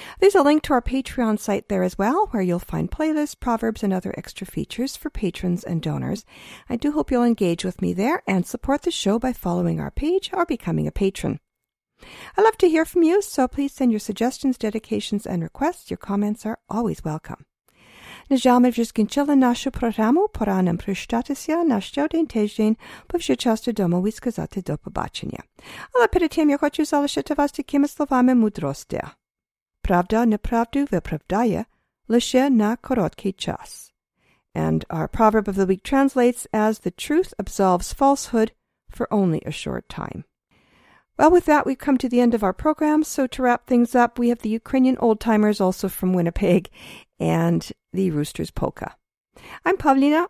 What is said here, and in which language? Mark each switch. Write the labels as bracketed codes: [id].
[en] There's a link to our Patreon site there as well, where you'll find playlists, proverbs, and other extra features for patrons and donors. I do hope you'll engage with me there and support the show by following our page or becoming a patron. I love to hear from you, so please send your suggestions, dedications, and requests. Your comments are always welcome. [uk] Нежалме вже скінчили нашу програму. Пора нам прощатися на щодень тиждень, бо вже час додому і сказати до побачення. Але перед тим я хочу залишити вас такими словами мудрості. Правда неправду виправдає лише на короткий час. [en] And our proverb of the week translates as the truth absolves falsehood for only a short time. Well, with that, we've come to the end of our program. So to wrap things up, we have the Ukrainian Old Timers, also from Winnipeg, and the Rooster's Polka. I'm Pavlina.